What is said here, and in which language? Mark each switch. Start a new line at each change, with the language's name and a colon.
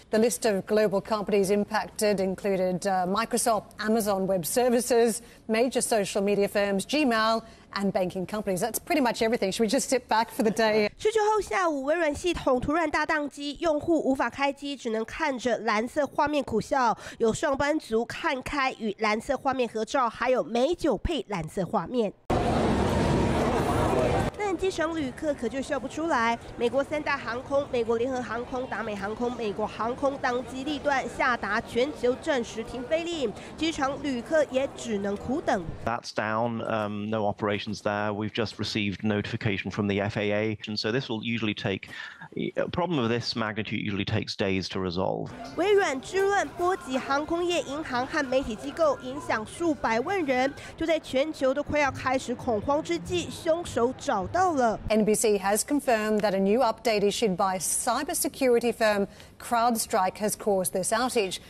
English: The list of global companies impacted included Microsoft, Amazon Web Services, major social media firms, Gmail, and banking companies. That's pretty much everything. Should we just sit back for the day?
Chinese: 19号下午，微软系统突然大宕机，用户无法开机，只能看着蓝色画面苦笑。有上班族看开与蓝色画面合照，还有美酒配蓝色画面。机乘旅客可就笑不出来。美国三大航空，美国联合航空、达美航空、美国航空当机立断下达全球暂时停飞令，机场旅客也只能苦等。
English: That's down, no operations there. We've just received notification from the FAA, and so this will usually take a problem of this magnitude usually takes days to resolve.
Chinese: 微软之乱波及航空业、银行和媒体机构，影响数百万人。就在全球都快要开始恐慌之际，凶手找到了。
English: NBC has confirmed that a new update issued by cybersecurity firm CrowdStrike has caused this outage.